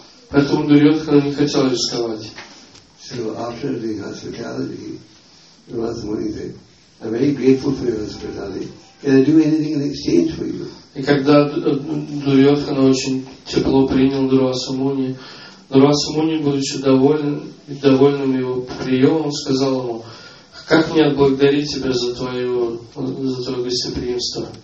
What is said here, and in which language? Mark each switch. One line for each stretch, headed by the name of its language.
Russian: Поэтому Дурьотхана не хотел рисковать.
English: So after the hospitality, the last morning said, I'm very grateful for your hospitality. Can I do anything in exchange for you?
Russian: И когда Дурьотхана очень тепло принял Дурвасамуни, Дурвасамуни, будучи довольным его приемом, сказал ему, как мне отблагодарить тебя за твое гостеприимство?